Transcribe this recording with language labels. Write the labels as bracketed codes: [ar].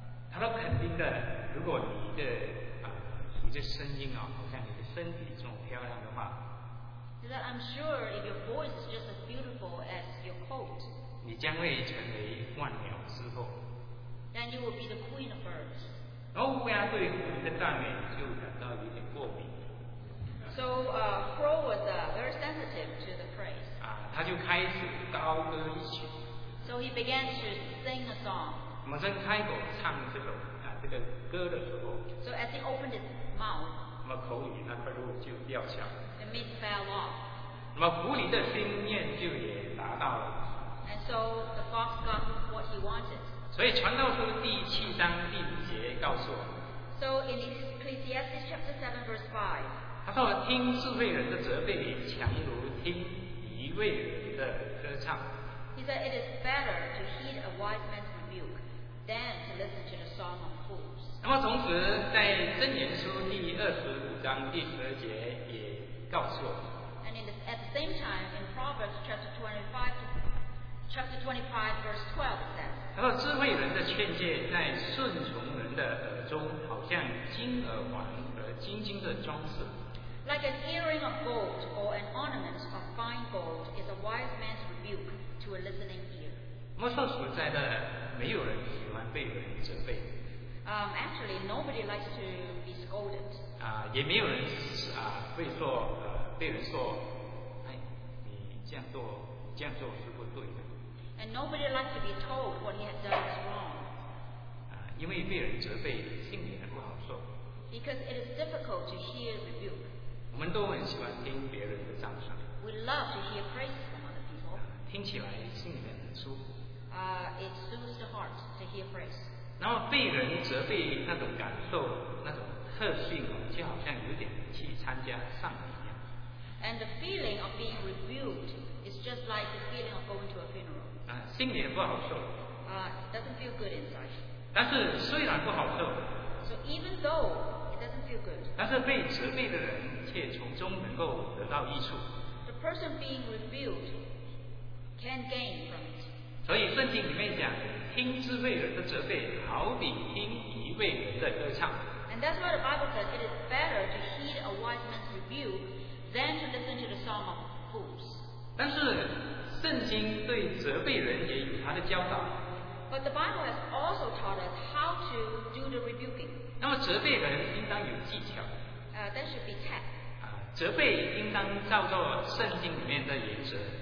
[zh] 他都肯定的，如果你的你的声音啊，好像你的身体这种漂亮的话。 [en] He said, I'm sure if your voice is just as beautiful as your coat. [zh] 你将会成为万鸟之后。 [en] Then you will be the queen of birds. [zh] 然后乌鸦对狐狸的赞美就感到有点过敏。 [en] So crow was very sensitive to the praise. [zh] 他就开始高歌一曲。 [en] So he began to sing a song. [zh] 马上开口唱这个歌的时候。 [en] So as he opened his mouth. [zh] 那么口里那块肉就掉下来。 [en] The meat fell off. [zh] 那么狐狸的心愿就也达到了。 [en] And so the fox got what he wanted. [zh] 所以传道书第七章第五节告诉我。 [en] So in Ecclesiastes chapter 7 verse 5. [zh] 他说：“听智慧人的责备，强如听愚昧人的歌唱。” [en] He said, "It is better to heed a wise man's rebuke than to listen to the song of fools." [zh] 那么同时，在箴言书第二十五章第十二节也告诉我。 [en] And at the same time, in Proverbs chapter 25 verse 12 says, [zh] 他说：“智慧人的劝诫在顺从人的耳中，好像金耳环和金金的装饰。” [en] Like an earring of gold or an ornament of fine gold is a wise man's rebuke to a listening ear. [zh] 那说实在的，没有人喜欢被人责备。 [en] Actually, nobody likes to be scolded. [zh] 也没有人会说被人说，你这样做，你这样做是不对的。 [en] And nobody likes to be told what he has done is wrong. [zh] 因为被人责备，心里很不好受。 [en] Because it is difficult to hear rebuke. [zh] 我们都很喜欢听别人的赞赏。 [en] We love to hear praise from other people. [zh] 听起来心里面很舒服。 [en] It soothes the heart to hear praise. [zh] 然后被人责备那种感受，那种特性，就好像有点去参加丧礼一样。 [en] And the feeling of being rebuked is just like the feeling of going to a funeral. [zh] 心里也不好受。 [en] Doesn't feel good inside. [zh] 但是虽然不好受。 [en] So even though. Doesn't feel good. [zh] 但是被责备的人却从中能够得到益处。 [en] The person being rebuked can gain from it. [zh] 所以圣经里面讲，听智慧人的责备，好比听愚昧人的歌唱。 [en] And that's why the Bible says it is better to heed a wise man's rebuke than to listen to the song of fools. [zh] 但是圣经对责备人也有他的教导。 [en] But the Bible has also taught us how to do the rebuking. [zh] 那么责备人应当有技巧。 [en] That should be tact. [zh] 责备应当照着圣经里面的原则。